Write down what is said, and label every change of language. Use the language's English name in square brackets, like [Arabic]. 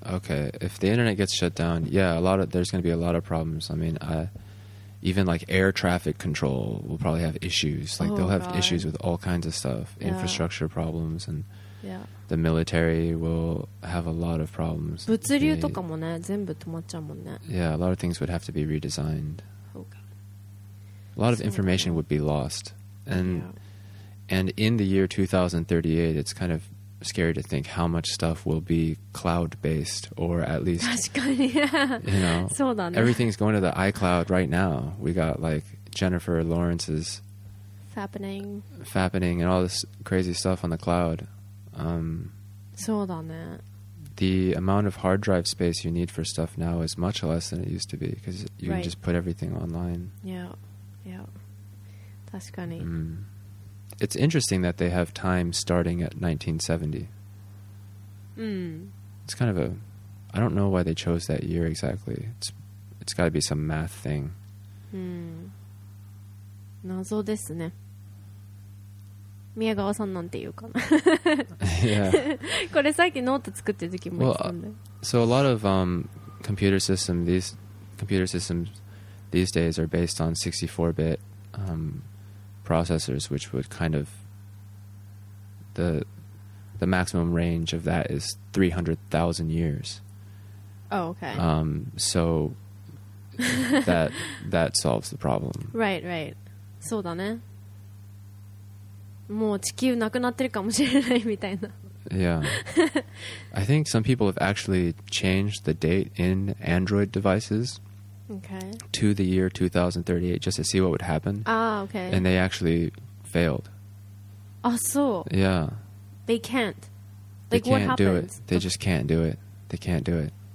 [English] Okay, if the internet gets shut down, yeah, there's going to be a lot of problems. I mean, even like air traffic control will probably have issues. Like, they'll have issues with all kinds of stuff, yeah. infrastructure problems, and the military will have a lot of problems. [Japanese] 物流とかもね、全部止まっちゃうもんね。 [English] Yeah, a lot of things would have to be redesigned. A lot of information would be lost. And in the year 2038, it's kind of scary to think how much stuff will be cloud-based, or at least, [Japanese] 確かに、 [English] you know, [Japanese] そうだね。 [English] Everything's going to the iCloud right now. We got like Jennifer Lawrence's Fappening and all this crazy stuff on the cloud. [Japanese] そうだね。 [English] The amount of hard drive space you need for stuff now is much less than it used to be, because you can just put everything online. Yeah. [Japanese] 確かに。 [English] It's interesting that they have time starting at 1970. It's kind of a... I don't know why they chose that year exactly. It's got to be some math thing. [Japanese] 謎ですね。宮川さんなんて言うかな。これさっきノート作ってる時も言ってたんだよ。 [English] Well, so a lot of computer systems these days are based on 64-bit processors, which would kind of the maximum range of that is 300,000 years. Oh, okay. So that solves the problem. Right, right. [Japanese] そうだね。もう地球なくなってるかもしれないみたいな。 [English] Yeah. I think some people have actually changed the date in Android devices. Okay. To the year 2038 just to see what would happen. Ah, okay. And they actually failed. Ah, so. Yeah. They can't. They can't do it. They just can't do it. They can't do it.